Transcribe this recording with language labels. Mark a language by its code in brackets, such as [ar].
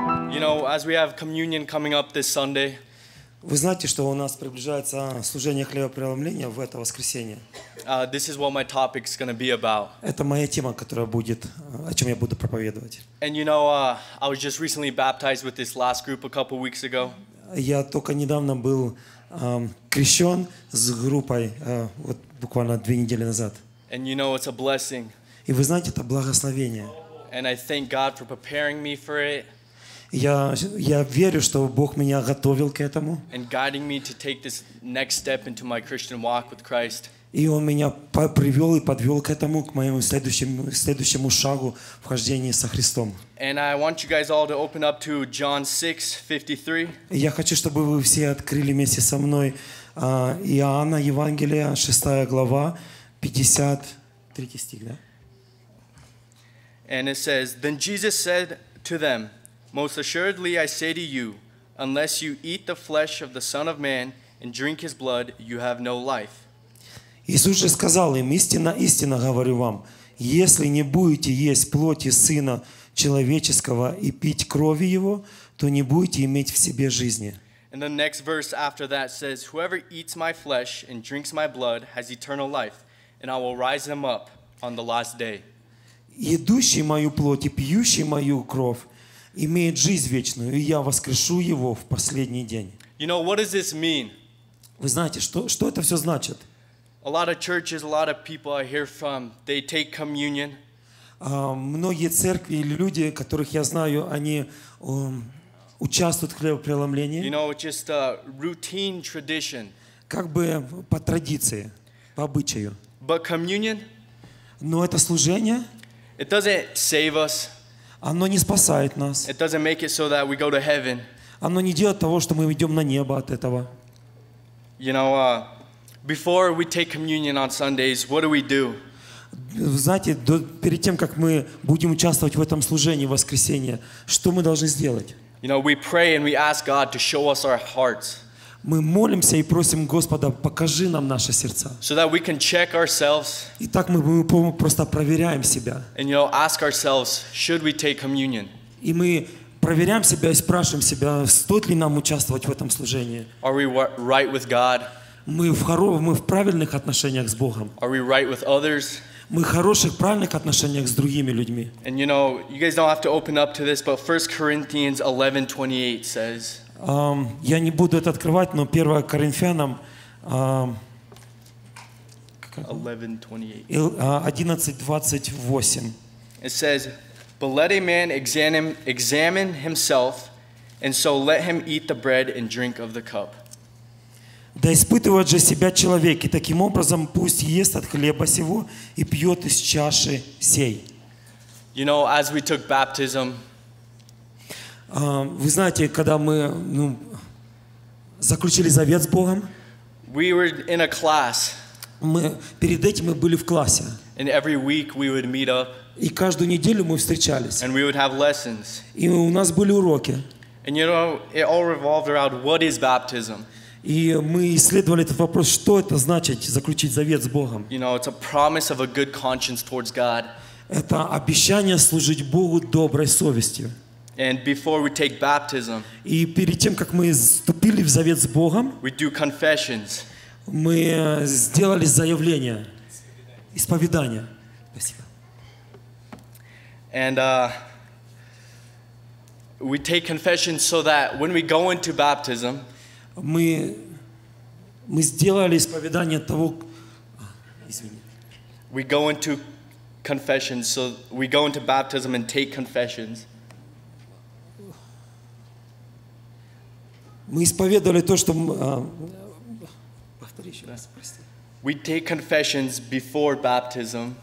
[en] You know, as we have communion coming up this Sunday, [ru] вы знаете, что у нас приближается служение хлебопреломления в это воскресенье. [en] This is what my topic's gonna be about. [ru] Это моя тема, которая будет, о чем я буду проповедовать. [en] And you know, I was just recently baptized with this last group a couple weeks ago. [ru] Я только недавно был крещен с группой вот буквально две недели назад. [en] And you know, it's a blessing. [ru] И вы знаете, это благословение. [en] And I thank God for preparing me for it. [ru] Я верю, что Бог меня готовил к этому. [en] And guiding me to take this next step into my Christian walk with Christ. [ru] И Он меня привел и подвел к этому, к моему следующему шагу в хождении со Христом. [en] And I want you guys all to open up to John 6:53. [ru] Я хочу, чтобы вы все открыли вместе со мной Иоанна, Евангелие, 6 глава, 53 стих, да? [en] And it says, then Jesus said to them, most assuredly I say to you, unless you eat the flesh of the Son of Man and drink His blood, you have no life. [ru] Иисус же сказал им, истинно, истинно говорю вам, если не будете есть плоти Сына Человеческого и пить крови Его, то не будете иметь в себе жизни. [en] And the next verse after that says, whoever eats my flesh and drinks my blood has eternal life, and I will raise him up on the last day. [ru] Едущий мою плоть и пьющий мою кровь имеет жизнь вечную, и я воскрешу его в последний день. [en] You know, what does this mean? [ru] Вы знаете, что это все значит? [en] A lot of churches, a lot of people I hear from, they take communion. [ru] Многие церкви или люди, которых я знаю, они участвуют в хлебопреломлении. [en] You know, it's just a routine tradition. [ru] Как бы по традиции, по обычаю. [en] But communion? [ru] Но это служение? [en] It doesn't save us. [ru] Оно не спасает нас. [en] It doesn't make it so that we go to heaven. [ru] Оно не делает того, что мы идем на небо от этого. [en] You know, before we take communion on Sundays, what do we do? [ru] Знаете, перед тем, как мы будем участвовать в этом служении в воскресенье, что мы должны сделать? [en] You know, we pray and we ask God to show us our hearts. [ru] Мы молимся и просим Господа, покажи нам наши сердца. [en] So that we can check ourselves. [ru] И так мы просто проверяем себя. [en] And, you know, ask ourselves, should we take communion? [ru] И мы проверяем себя и спрашиваем себя, стоит ли нам участвовать в этом служении? [en] Are we right with God? [ru] Мы в правильных отношениях с Богом. [en] Are we right with others? [ru] Мы в хороших, правильных отношениях с другими людьми. [en] And, you know, you guys don't have to open up to this, but 1 Corinthians 11:28 says. [ru] Я не буду это открывать, но 1 Коринфянам 11:28. [en] It says, "But let a man examine himself, and so let him eat the bread and drink of the cup." [ru] Да испытывает же себя человек, и таким образом пусть ест от хлеба сего и пьет из чаши сей. [en] You know, as we took baptism, [ru] вы знаете, когда мы заключили завет с Богом, [en] we were in a class. [ru] Перед этим мы были в классе. [en] And every week we would meet up. [ru] И каждую неделю мы встречались. [en] And we would have lessons. [ru] И у нас были уроки. [en] And you know, it all revolved around what is baptism. [ru] И мы исследовали этот вопрос, что это значит заключить завет с Богом. [en] You know, it's a promise of a good conscience towards God. [ru] Это обещание служить Богу доброй совестью. [en] And before we take baptism, [ru] и перед тем, как мы вступили в завет с Богом, [en] we do confessions. [ru] Мы сделали заявление, исповедание. Спасибо. [en] And we take confessions so that when we go into baptism, [ru] мы сделали исповедание того, извини. [en] We go into confessions, so we go into baptism and take confessions. [ru] Мы исповедовали то, что повтори еще раз, прости. [en] We take confessions before baptism.